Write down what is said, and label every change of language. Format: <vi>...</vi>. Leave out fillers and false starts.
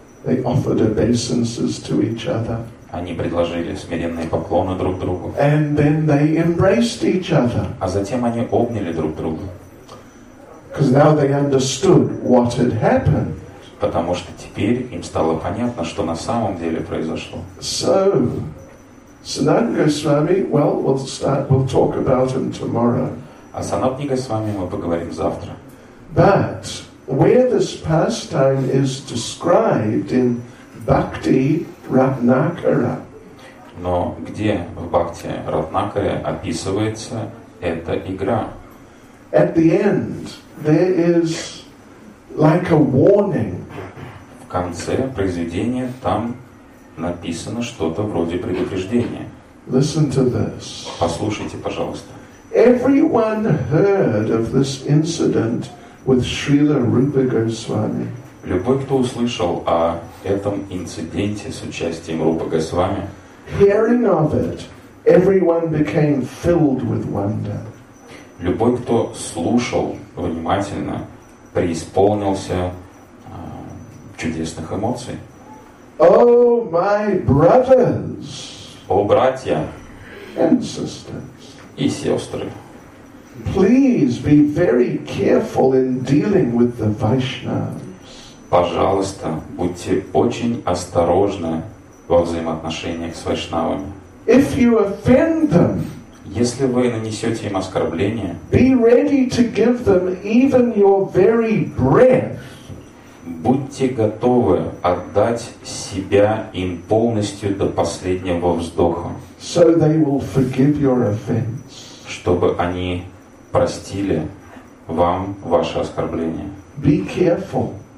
<en>They offered obeisances to each other.</en> <ru>Они предложили смиренные поклоны друг другу.</ru> <en>And then they embraced each other.</en> <ru>А затем они обняли друг друга.</ru> <en>Because now they understood what had happened.</en> <ru>Потому что теперь им стало понятно, что на самом деле произошло.</ru> <en>So, Sanatana Goswami, well, we'll talk about him tomorrow.</en> <ru>О Санатане Госвами мы поговорим завтра.</ru> <en>But where this pastime is described in Bhakti Ratnakara.</en> <ru>Но где в Бхакти Ратнакаре описывается эта игра?</ru> <en>At the end, there is like a warning.</en> <ru>В конце произведения там написано что-то вроде предупреждения.</ru> <en>Listen to this.</en> <ru>Послушайте, пожалуйста.</ru> <en>Everyone heard of this incident with Srila Rupa Goswami.</en> <ru>Любой, кто услышал о этом инциденте с участием Рупа Госвами,</ru> <en>hearing of it, everyone became filled with wonder.</en> <ru>Любой, кто слушал внимательно, преисполнился чудесных эмоций.</ru> <en>Oh, my brothers!</en> <ru>О, братья!</ru> <en>And sisters!</en> <ru>И сестры!</ru> <en>Please be very careful in dealing with the Vaishnavas.</en> <ru>Пожалуйста, будьте очень осторожны во взаимоотношениях с вайшнавами.</ru> <en>If you offend them,</en> <ru>если вы нанесете им оскорбление,</ru> <en>be ready to give them even your very breath.</en> <ru>Будьте готовы отдать себя им полностью до последнего вздоха.</ru> <en>So they will forgive your offense.</en> <ru>Чтобы они простили вам ваше оскорбление.</ru> <en>Be careful.</en>